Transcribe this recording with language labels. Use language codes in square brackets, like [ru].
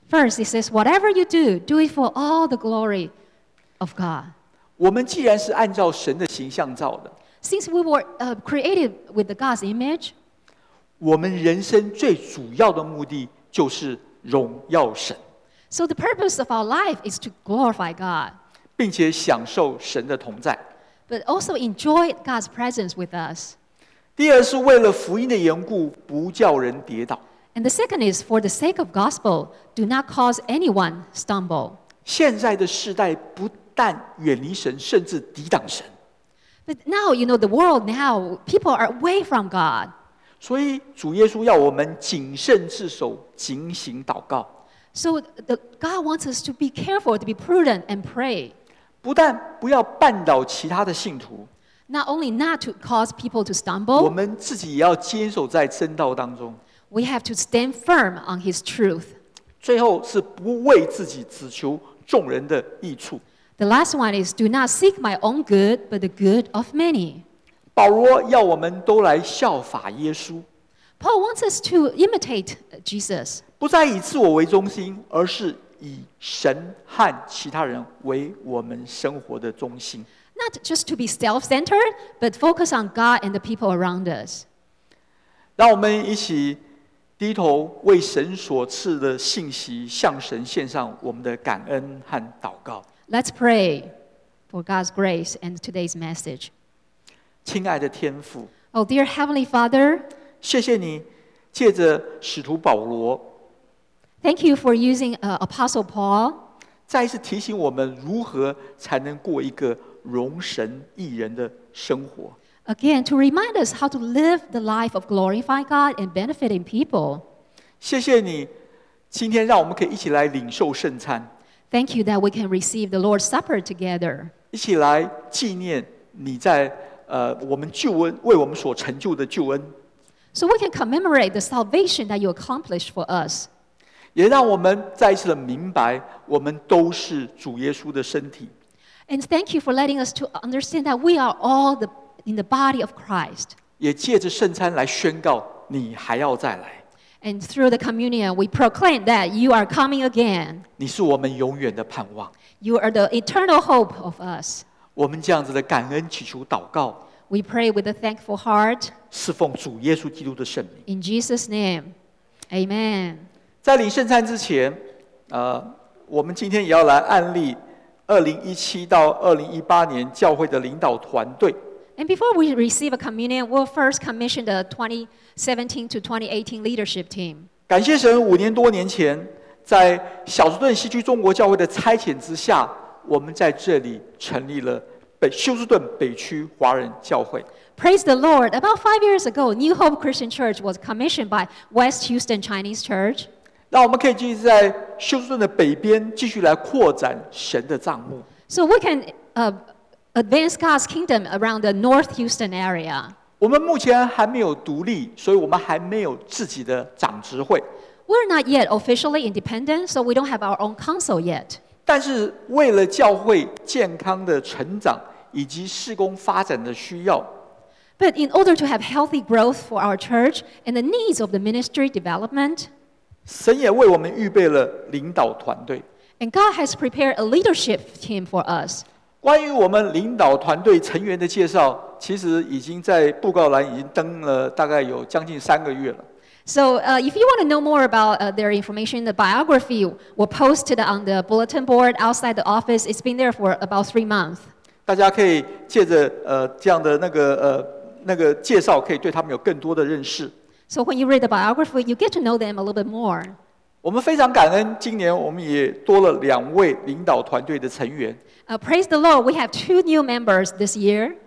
[en] First, he says, whatever you do, do it for all the glory of God. [zh] 我们既然是按照神的形象造的。 [en] Since we were created with the God's image, [zh] 我们人生最主要的目的就是荣耀神。 [en] So the purpose of our life is to glorify God. [zh] 并且享受神的同在。 [en] But also enjoy God's presence with us. [zh] 第二是为了福音的缘故，不叫人跌倒。 [en] And the second is, for the sake of gospel, do not cause anyone stumble. [zh] 现在的世代不但远离神，甚至抵挡神。 [en] But now, you know, the world now, people are away from God. [zh] 所以主耶稣要我们谨慎自守，警醒祷告。 [en] So God wants us to be careful, to be prudent and pray. [zh] 不但不要绊倒其他的信徒。 [en] Not only not to cause people to stumble. [zh] 我们自己也要坚守在真道当中。 [en] We have to stand firm on His truth. [zh] 最后是不为自己，只求众人的益处。 [en] The last one is, do not seek my own good, but the good of many. [zh] 保罗要我们都来效法耶稣。 [en] Paul wants us to imitate Jesus. [zh] 不再以自我为中心，而是以神和其他人为我们生活的中心。 [en] Not just to be self-centered, but focus on God and the people around us. [zh] 让我们一起低头为神所赐的信息向神献上我们的感恩和祷告。 [en] Let's pray for God's grace and today's message. [zh] 亲爱的天父， [en] Oh dear Heavenly Father, [zh] 谢谢你借着使徒保罗， [en] Thank you for using Apostle Paul. [zh] 再一次提醒我们如何才能过一个荣神益人的生活。 [en] Again, to remind us how to live the life of glorifying God and benefiting people. [zh] 谢谢你今天让我们可以一起来领受圣餐。 [en] Thank you that we can receive the Lord's Supper together. [zh] 一起来纪念你在我们救恩为我们所成就的救恩。 [en] So we can commemorate the salvation that you accomplished for us. [zh] 也让我们再一次的明白我们都是主耶稣的身体。 [en] And thank you for letting us to understand that we are all the in the body of Christ. [zh] 也借着圣餐来宣告你还要再来。 [en] And through the communion, we proclaim that you are coming again. [zh] 你是我们永远的盼望。 [en] You are the eternal hope of us. [zh] 我们这样子的感恩祈求祷告。 [en] We pray with a thankful heart. [zh] 侍奉主耶稣基督的圣名。 [en] In Jesus' name, Amen. [zh] 在领圣餐之前，我们今天也要来案例2017-2018年教会的领导团队。 [en] And before we receive a communion, we'll first commission the 2017-2018 leadership team. [zh] 感谢神，五年多年前，在小苏顿西区中国教会的差遣之下，我们在这里成立了休斯顿北区华人教会。 [en] Praise the Lord! About 5 years ago, New Hope Christian Church was commissioned by West Houston Chinese Church. [zh] 让我们可以继续在休斯顿的北边继续来扩展神的帐幕。 [en] So we can advance God's kingdom around the North Houston area. [zh] 我们目前还没有独立，所以我们还没有自己的长执会。 [en] We're not yet officially independent, so we don't have our own council yet. [zh] 但是为了教会健康的成长以及事工发展的需要。 [en] But in order to have healthy growth for our church and the needs of the ministry development, [zh] 神也为我们预备了领导团队。 [en] And God has prepared a leadership team for us. [zh] 关于我们领导团队成员的介绍，其实已经在布告栏已经登了大概有将近3个月了。 [en] So if you want to know more about their information, the biography, we'll post it on the bulletin board outside the office. It's been there for about 3 months. [zh] 大家可以借着这样的那个介绍，可以对他们有更多的认识。 [en] So when you read the biography, you get to know them a little bit more. [zh] 我们非常感恩，今年我们也多了两位领导团队的成员。 [en] Praise the Lord, we have two new members this year.